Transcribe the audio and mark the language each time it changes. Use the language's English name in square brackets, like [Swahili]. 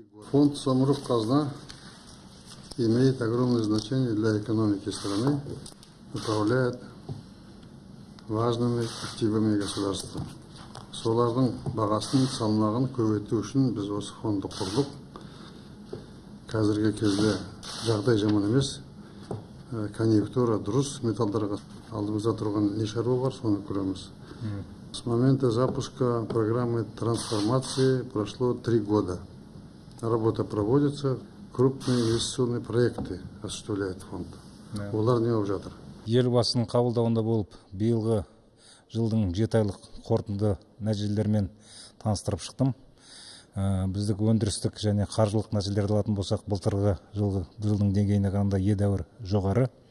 [Russian] Фонд Самұрық-Қазына имеет огромное значение для экономики страны, управляет важными активами государства. [Kazakh] Солардың бағасын салмағын көбейту үшін біз осы фонды құрдық. Қазіргі кезде жағдай жаман емес, конъюнктура дұрыс, металдарға алдымызда тұрған не шаруа бар, соны көреміз. [Russian] С момента запуска программы трансформации прошло 3 года. Работа проводится, крупные инвестиционные проекты осуществляет фонд. [Kazakh] Олар не алып жатыр. Елбасының қабылдауында болып, биылғы жылдың 7 айлық қорытынды нәтижелерімен таныстырып шықтым. Біздік өндірістік және қаржылық нәтижелерді алатын болсақ, былтырғы жылдың деңгейіне қарағанда едәуір жоғары.